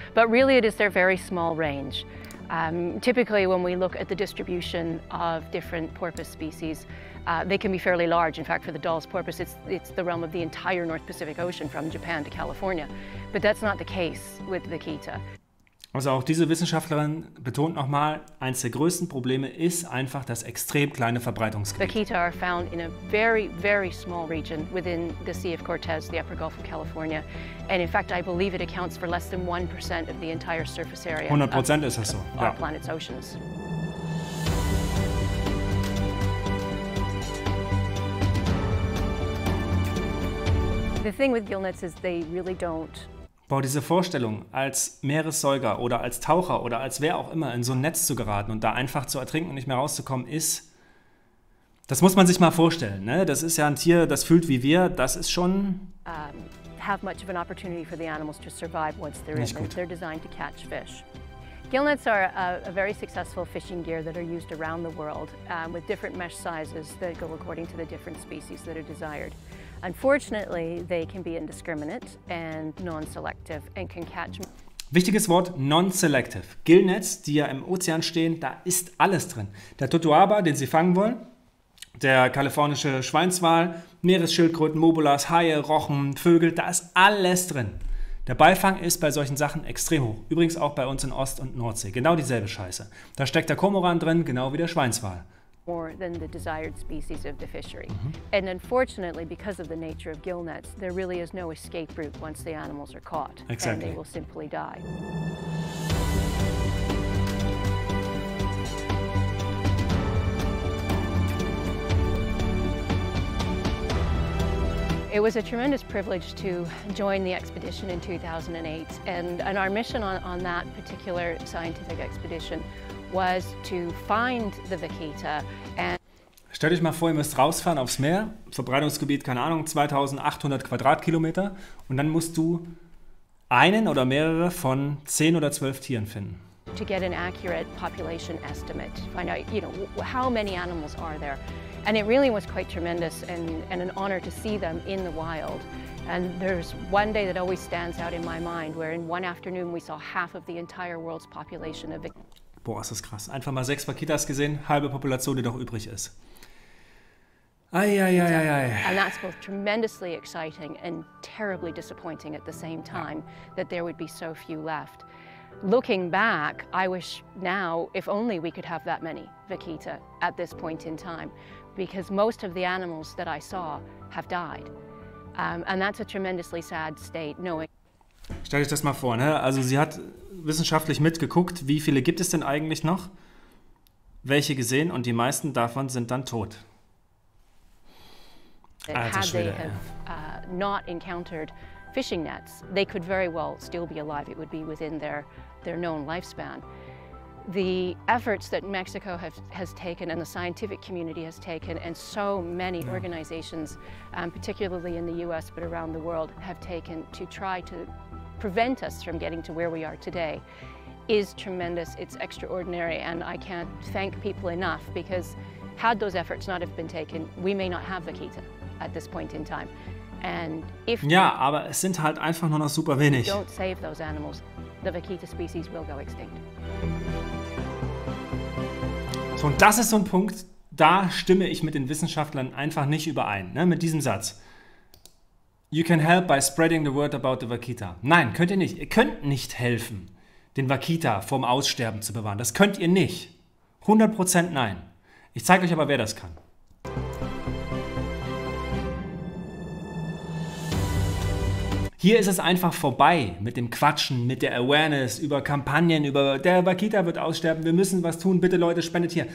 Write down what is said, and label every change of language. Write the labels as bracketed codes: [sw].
[en] But really it is their very small range. Typically when we look at the distribution of different porpoise species, they can be fairly large. In fact, for the Dall's porpoise, it's the realm of the entire North Pacific Ocean from Japan to California. But that's not the case with vaquita. [de] Also auch diese Wissenschaftlerin betont nochmal, eins der größten Probleme ist einfach das extrem kleine Verbreitungsgebiet. [en] Vaquita are found in a very, very small region within the Sea of Cortez, the upper Gulf of California. And in fact, I believe it accounts for less than 1% of the entire surface area. [de] 100% ist das so. [en] Our planet's oceans. The thing with gillnets is they really don't. [de] Boah, diese Vorstellung, als Meeressäuger oder als Taucher oder als wer auch immer in so ein Netz zu geraten und da einfach zu ertrinken und nicht mehr rauszukommen, ist, das muss man sich mal vorstellen, ne? Das ist ja ein Tier, das fühlt wie wir, das ist schon [en] have much of an opportunity for the animals to survive once they're [de] nicht [en] in. [de] Gut. [en] They're designed to catch fish. Gillnets are a very successful fishing gear that are used around the world with different mesh sizes that go according to the different species that are desired. Unfortunately, they can be indiscriminate and non-selective and can catch. [de] Wichtiges Wort, non-selective. Gillnets, die ja im Ozean stehen, da ist alles drin. Der Totoaba, den sie fangen wollen, der kalifornische Schweinswal, Meeresschildkröten, Mobulas, Haie, Rochen, Vögel, da ist alles drin. Der Beifang ist bei solchen Sachen extrem hoch. Übrigens auch bei uns in Ost- und Nordsee. Genau dieselbe Scheiße. Da steckt der Kormoran drin, genau wie der Schweinswal. [en] More than the desired species of the fishery. Mm-hmm. And unfortunately, because of the nature of gillnets, there really is no escape route once the animals are caught. Exactly. And they will simply die. It was a tremendous privilege to join the expedition in 2008. And our mission on that particular scientific expedition was to find the vaquita. Stellt euch mal vor, ihr müsst rausfahren aufs Meer, Verbreitungsgebiet, keine Ahnung, 2800 Quadratkilometer, und dann musst du einen oder mehrere von 10 oder 12 Tieren finden. To get an accurate population estimate, find out, you know, how many animals are there. And it really was quite tremendous and an honor to see them in the wild. And there's one day that always stands out in my mind, where in one afternoon we saw half of the entire world's population of vaquita. [de] Boah, ist das krass. Einfach mal 6 Vaquitas gesehen, halbe Population, die noch übrig ist. Eieieiei. [en] And that's both tremendously exciting and terribly disappointing at the same time, that there would be so few left. Looking back, I wish now, if only we could have that many vaquita at this point in time, because most of the animals that I saw have died. And that's a tremendously sad state, knowing. [de] Stell dich das mal vor, ne? Also sie hat wissenschaftlich mitgeguckt, wie viele gibt es denn eigentlich noch, welche gesehen, und die meisten davon sind dann tot. Alter Schwede, [en] had they have not encountered fishing nets, they could very well still be alive. It would be within their known lifespan. The efforts that Mexico has taken and the scientific community has taken and so many organizations, particularly in the US but around the world, have taken to try to prevent us from getting to where we are today is tremendous. It's extraordinary, and I can't thank people enough, because had those efforts not have been taken, we may not have vaquita at this point in time. And if [de] aber es sind halt einfach nur noch super wenig. [en] Don't save those animals, the vaquita species will go extinct. [de] So, und das ist so ein Punkt, da stimme ich mit den Wissenschaftlern einfach nicht überein, ne, mit diesem Satz. [en] You can help by spreading the word about the vaquita. [de] Nein, könnt ihr nicht. Ihr könnt nicht helfen, den vaquita vorm Aussterben zu bewahren. Das könnt ihr nicht. 100% nein. Ich zeige euch aber, wer das kann. Hier ist es einfach vorbei mit dem Quatschen, mit der Awareness über Kampagnen, über der vaquita wird aussterben, wir müssen was tun, bitte Leute, spendet hier.